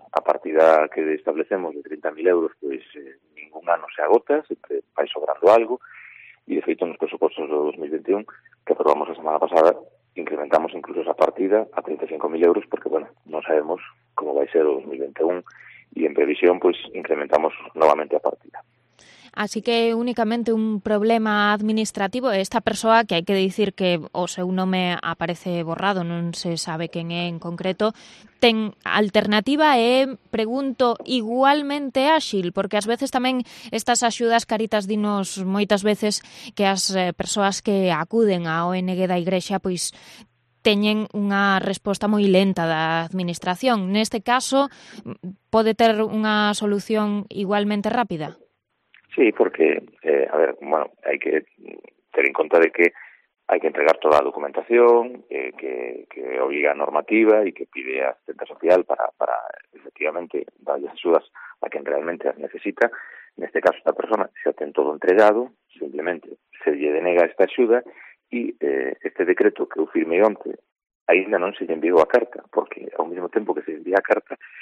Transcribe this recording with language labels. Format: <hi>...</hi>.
<es>A partida que establecemos de 30.000 euros, pues ningún año se agota, siempre va sobrando algo. Y de hecho, en los presupuestos de 2021, que aprobamos la semana pasada, incrementamos incluso esa partida a 35.000 euros, porque, bueno, no sabemos cómo va a ser 2021. Y en previsión, pues incrementamos nuevamente la partida. Así que únicamente un problema administrativo.</es> <gl>Esta persoa, que hai que dicir que o seu nome aparece borrado, non se sabe quen é en concreto, ten alternativa e pregunto igualmente áxil, porque ás veces tamén estas axudas caritas dinos moitas veces que as persoas que acuden á ONG da Igrexa pois teñen unha resposta moi lenta da administración. Neste caso, pode ter unha solución igualmente rápida?</gl> <es>Sí, porque, a ver, bueno, hay que tener en cuenta de que hay que entregar toda la documentación que obliga a normativa y que pide a Asistencia Social para efectivamente dar las ayudas a quien realmente las necesita. En este caso, esta persona se ha tenido todo entregado, simplemente se le denega esta ayuda y este decreto que firmé ontem, ahí ya no se le envió a carta, porque al mismo tiempo que se envía a carta,</es>